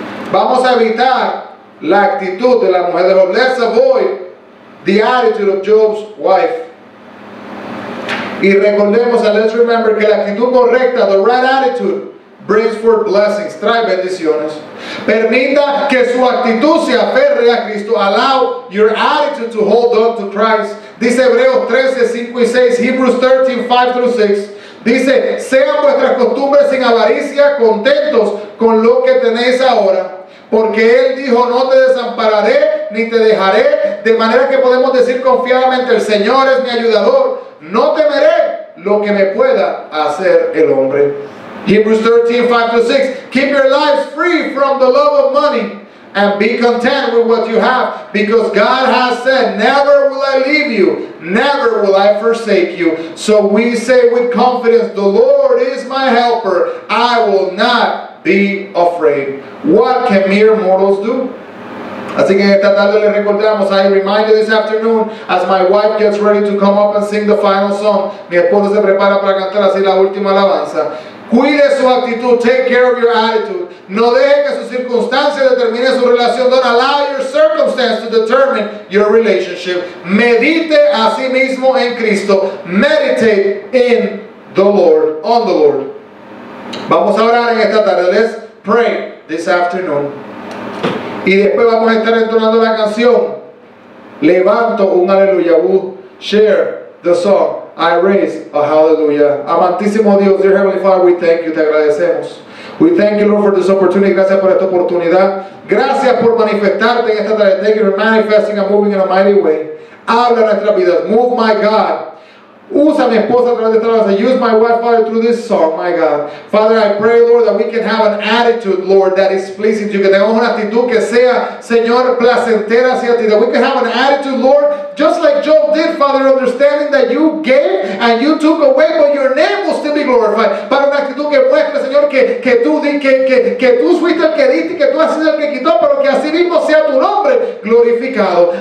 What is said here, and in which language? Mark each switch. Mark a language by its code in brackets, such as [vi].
[es] Vamos a evitar la actitud de la mujer de Job. [en] Let's avoid the attitude of Job's wife. [es] Y recordemos, [en] and let's remember, [es] que la actitud correcta, [en] the right attitude, brings forth blessings, [es] trae bendiciones. Permita que su actitud se aferre a Cristo. [en] Allow your attitude to hold on to Christ. [es] Dice Hebreos 13, 5 y 6, [en] Hebrews 13, 5 through 6. [es] Dice, sean vuestras costumbres sin avaricia, contentos con lo que tenéis ahora. Porque Él dijo, no te desampararé, ni te dejaré, de manera que podemos decir confiadamente, el Señor es mi ayudador, no temeré lo que me pueda hacer el hombre. [en] Hebrews 13, 5-6, keep your lives free from the love of money, and be content with what you have, because God has said, never will I leave you, never will I forsake you. So we say with confidence, the Lord is my helper, I will not be afraid. What can mere mortals do? [es] Así que esta tarde le recordamos, [en] I remind you this afternoon, as my wife gets ready to come up and sing the final song, [es] mi esposa se prepara para cantar así la última alabanza. Cuide su actitud, [en] take care of your attitude. [es] No deje que su circunstancia determine su relación. [en] Don't allow your circumstance to determine your relationship. [es] Medite a sí mismo en Cristo. [en] Meditate in the Lord, on the Lord. [es] Vamos a orar en esta tarde. [en] Let's pray this afternoon. [es] Y después vamos a estar entonando la canción. Levanto un aleluya. [en] We'll share the song. I raise a hallelujah. [es] Amantísimo Dios, [en] dear Heavenly Father, we thank you. [es] Te agradecemos. [en] We thank you, Lord, for this opportunity. [es] Gracias por esta oportunidad. Gracias por manifestarte en esta tarde. [en] Thank you for manifesting and moving in a mighty way. [es] Habla nuestra vida. [en] Move my God. [es] Usa mi esposa a través de esta alabanza. [en] Use my wife, Father, through this song, my God. Father, I pray, Lord, that we can have an attitude, Lord, that is pleasing to you. [es] Que tengamos una actitud que sea, Señor, placentera hacia ti. [en] That we can have an attitude, Lord, just like Job did, Father, understanding that you gave and you took away, but your name will still be glorified. [es] Para una actitud que muestre, Señor, que tú fuiste el que diste, que tú has sido el que quitó, pero que así mismo sea tu nombre glorificado.